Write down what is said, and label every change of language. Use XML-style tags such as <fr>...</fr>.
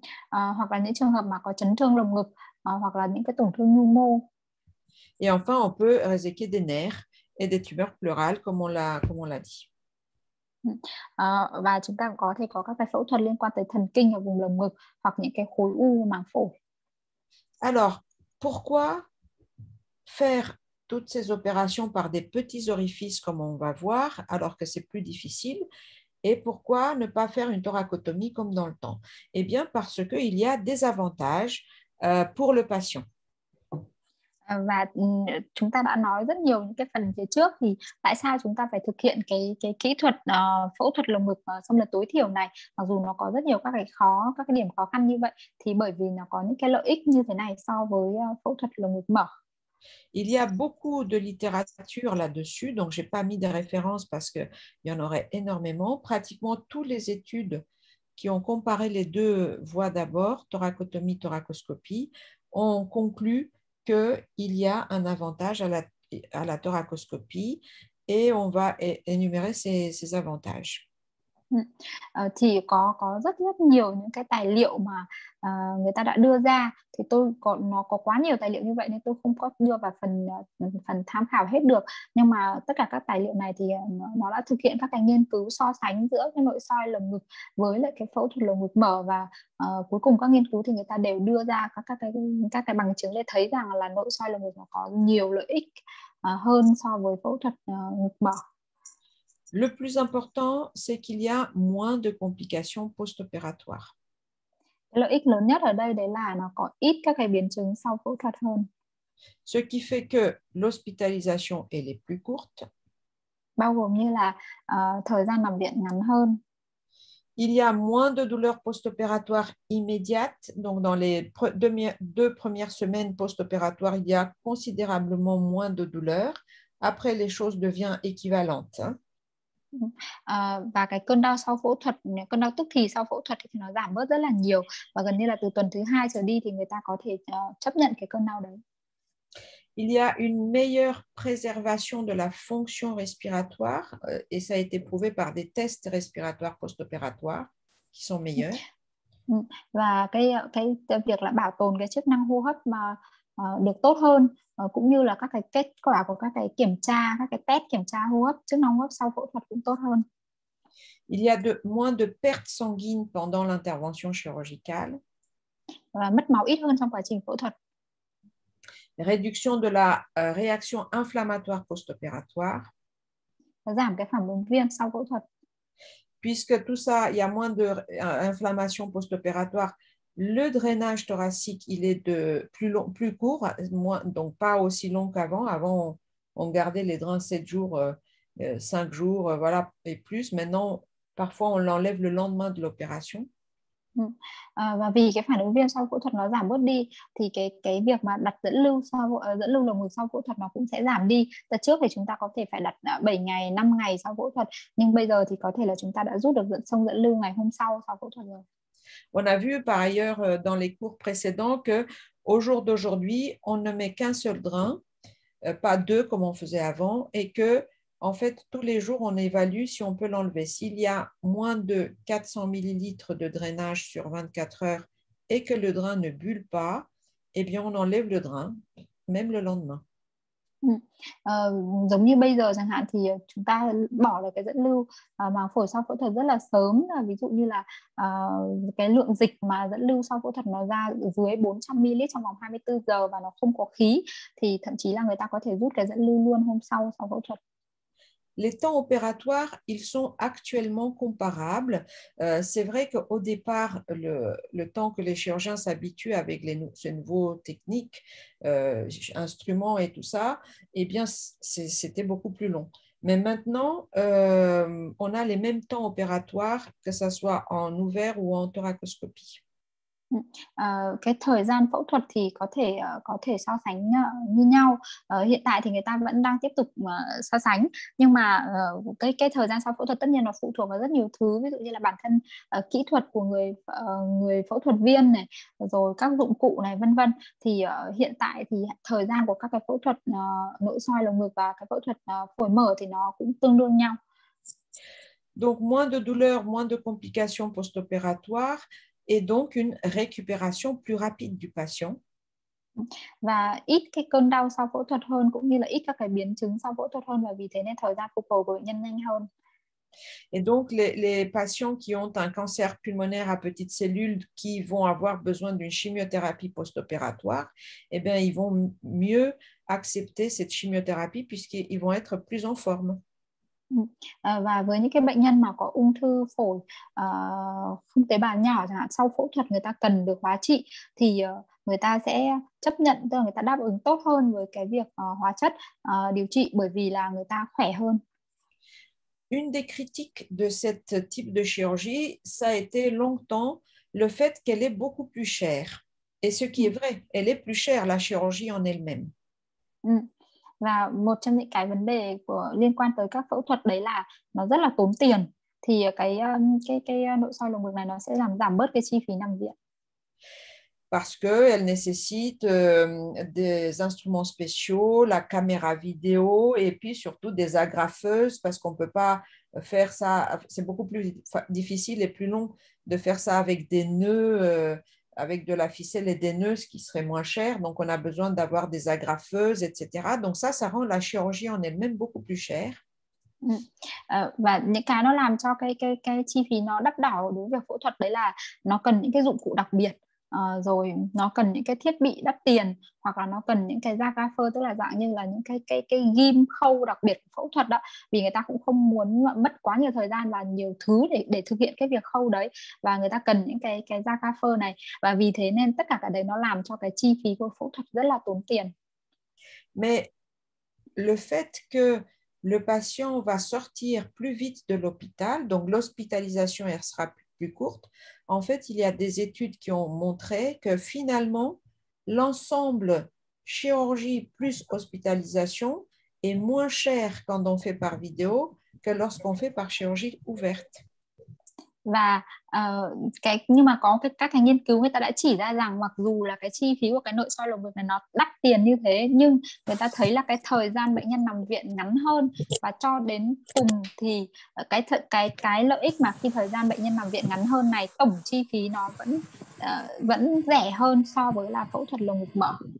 <vi>Hoặc là những trường hợp mà có chấn thương lồng ngực, hoặc là những cái tổn thương nhu mô.</vi> <fr>Et enfin, on peut réséquer des nerfs et des tumeurs pleurales, comme on l'a dit.</fr> <vi>Và chúng ta có thể có các cái phẫu thuật liên quan tới thần kinh ở vùng lồng ngực, hoặc những cái khối u màng phổi.</vi> <fr>Alors, pourquoi faire toutes ces opérations par des petits orifices, comme on va voir, alors que c'est plus difficile? Et pourquoi ne pas faire une thoracotomie comme dans le temps? Eh bien, parce qu'il y a des avantages pour le patient.</fr> <vi>Và chúng ta đã nói rất nhiều những cái phần phía trước, thì tại sao chúng ta phải thực hiện cái kỹ thuật phẫu thuật lồng ngực xâm lấn tối thiểu này, mặc dù nó có rất nhiều các cái điểm khó khăn như vậy, thì bởi vì nó có những cái lợi ích như thế này so với phẫu thuật lồng ngực mở.</vi> <fr>Il y a beaucoup de littérature là-dessus, donc je n'ai pas mis de référence parce qu'il y en aurait énormément. Pratiquement toutes les études qui ont comparé les deux voies d'abord, thoracotomie, thoracoscopie, ont conclu qu'il y a un avantage à la thoracoscopie et on va énumérer ces avantages.</fr> <vi>Thì có rất nhiều những cái tài liệu mà người ta đã đưa ra, thì nó có quá nhiều tài liệu như vậy nên tôi không có đưa vào phần tham khảo hết được, nhưng mà tất cả các tài liệu này thì nó đã thực hiện các cái nghiên cứu so sánh giữa cái nội soi lồng ngực với lại cái phẫu thuật lồng ngực mở, và cuối cùng các nghiên cứu thì người ta đều đưa ra các cái bằng chứng để thấy rằng là nội soi lồng ngực nó có nhiều lợi ích hơn so với phẫu thuật ngực mở.</vi> <fr>Le plus important, c'est qu'il y a moins de complications post-opératoires.</fr> <vi>Lợi ích lớn nhất ở đây đấy là nó có ít các cái biến chứng sau phẫu thuật hơn.</vi> <fr>Ce qui fait que l'hospitalisation est la plus courte.</fr> <vi>bao gồm như là thời gian nằm viện ngắn hơn.</vi> <fr>Il y a moins de douleurs post-opératoires immédiates. Donc, dans les deux premières semaines post-opératoires, il y a considérablement moins de douleurs. Après, les choses deviennent équivalentes.</fr> <vi>Và cái cơn đau sau phẫu thuật, cơn đau tức thì sau phẫu thuật thì nó giảm bớt rất là nhiều. Và gần như là từ tuần thứ hai trở đi thì người ta có thể chấp nhận cái cơn đau đấy.</vi> <fr>Il y a une meilleure préservation de la fonction respiratoire et ça a été prouvé par des tests respiratoires post-opératoires qui sont meilleurs.</fr> <vi>Và cái việc là bảo tồn cái chức năng hô hấp mà được tốt hơn cũng như là các cái kết quả của các cái test kiểm tra hô hấp, chức năng hô hấp sau phẫu thuật cũng tốt hơn.</vi> <fr>Il y a moins de pertes sanguines pendant l'intervention chirurgicale.</fr> <vi>Và mất máu ít hơn trong quá trình phẫu thuật.</vi> <fr>Réduction de la réaction inflammatoire post-opératoire.</fr> <vi>Giảm cái phản ứng viêm sau phẫu thuật.</vi> <fr>Puisque tout ça, il y a moins de inflammation post-opératoire, le drainage thoracique, il est de plus court, moins, donc pas aussi long qu'avant. Avant, on gardait les drains 7 jours, 5 jours, voilà, et plus. Maintenant, parfois, on l'enlève le lendemain de l'opération.</fr> <vi>Và vì cái phản ứng viêm sau phẫu thuật nó giảm bớt đi thì cái việc mà đặt dẫn lưu lồng ngực sau phẫu thuật nó cũng sẽ giảm đi. Từ trước thì chúng ta có thể phải đặt 7 ngày, 5 ngày sau phẫu thuật, nhưng bây giờ thì có thể là chúng ta đã rút được dẫn lưu ngày hôm sau phẫu thuật rồi.</vi> <fr>On a vu par ailleurs dans les cours précédents que au jour d'aujourd'hui, on ne met qu'un seul drain, pas deux comme on faisait avant, et que en fait, tous les jours, on évalue si on peut l'enlever. S'il y a moins de 400 millilitres de drainage sur 24 heures et que le drain ne bulle pas, eh bien, on enlève le drain, même le lendemain.</fr> <vi>Giống như bây giờ chẳng hạn thì chúng ta bỏ được cái dẫn lưu màng phổi sau phẫu thuật rất là sớm, ví dụ như là cái lượng dịch mà dẫn lưu sau phẫu thuật nó ra dưới 400 ml trong vòng 24 giờ và nó không có khí, thì thậm chí là người ta có thể rút cái dẫn lưu luôn hôm sau phẫu thuật.</vi> <fr>Les temps opératoires, ils sont actuellement comparables. C'est vrai qu'au départ, le temps que les chirurgiens s'habituent avec ces nouveaux techniques, instruments et tout ça, eh bien, c'était beaucoup plus long. Mais maintenant, on a les mêmes temps opératoires, que ce soit en ouvert ou en thoracoscopie.</fr> <vi>Cái thời gian phẫu thuật thì có thể so sánh như nhau. Hiện tại thì người ta vẫn đang tiếp tục so sánh, nhưng mà cái thời gian sau phẫu thuật tất nhiên nó phụ thuộc vào rất nhiều thứ, ví dụ như là bản thân kỹ thuật của người người phẫu thuật viên này, rồi các dụng cụ này vân vân. Thì hiện tại thì thời gian của các cái phẫu thuật nội soi lồng ngực và cái phẫu thuật phổi mở thì nó cũng tương đương nhau.</vi> <fr>Donc moins de douleurs, moins de complications post-opératoires. Et donc une récupération plus rapide du patient.</fr> <vi>Và ít cái cơn đau sau phẫu thuật hơn, cũng như là ít các cái biến chứng sau phẫu thuật hơn, và vì thế nên thời gian phục hồi của bệnh nhân nhanh hơn.</vi> <fr>Et donc les patients qui ont un cancer pulmonaire à petites cellules qui vont avoir besoin d'une chimiothérapie post-opératoire, eh bien ils vont mieux accepter cette chimiothérapie puisqu'ils vont être plus en forme.</fr> <vi>Và với những cái bệnh nhân mà có ung thư phổi không tế bào nhỏ chẳng hạn, sau phẫu thuật người ta cần được hóa trị thì người ta sẽ chấp nhận, tức là người ta đáp ứng tốt hơn với cái việc hóa chất điều trị, bởi vì là người ta khỏe hơn.</vi> <fr>Une des critiques de cette type de chirurgie, ça a été longtemps le fait qu'elle est beaucoup plus chère. Et ce qui est vrai, elle est plus chère la chirurgie en elle-même.</fr> <vi>Và một trong những cái vấn đề của liên quan tới các phẫu thuật đấy là nó rất là tốn tiền, thì cái nội soi lồng ngực này nó sẽ làm giảm bớt cái chi phí nằm viện.</vi> <fr>Parce qu'elle nécessite des instruments spéciaux, la caméra vidéo et puis surtout des agrafeuses parce qu'on peut pas faire ça, c'est beaucoup plus difficile et plus long de faire ça avec des nœuds avec de la ficelle et des nœuds, ce qui serait moins cher. Donc, on a besoin d'avoir des agrafeuses, etc. Donc, ça rend la chirurgie en elle-même beaucoup plus chère.</fr> <vi>Và những cái nó làm cho cái chi phí nó đắt đỏ đối với phẫu thuật đấy là nó cần những cái dụng cụ đặc biệt, rồi nó cần những cái thiết bị đắt tiền, hoặc là nó cần những cái agrafeuse, tức là dạng như là những cái ghim khâu đặc biệt phẫu thuật đó, vì người ta cũng không muốn mất quá nhiều thời gian và nhiều thứ để thực hiện cái việc khâu đấy, và người ta cần những cái agrafeuse này, và vì thế nên tất cả cái đấy nó làm cho cái chi phí của phẫu thuật rất là tốn tiền.</vi> <fr>Mais le fait que le patient va sortir plus vite de l'hôpital, donc l'hospitalisation, elle sera plus courte. En fait, il y a des études qui ont montré que finalement, l'ensemble chirurgie plus hospitalisation est moins cher quand on fait par vidéo que lorsqu'on fait par chirurgie ouverte.</fr> <vi>Và cái nhưng mà có cái các cái nghiên cứu người ta đã chỉ ra rằng mặc dù là cái chi phí của cái nội soi lồng ngực này nó đắt tiền như thế, nhưng người ta thấy là cái thời gian bệnh nhân nằm viện ngắn hơn, và cho đến cùng thì cái lợi ích mà khi thời gian bệnh nhân nằm viện ngắn hơn này, tổng chi phí nó vẫn vẫn rẻ hơn so với là phẫu thuật lồng ngực mở.</vi>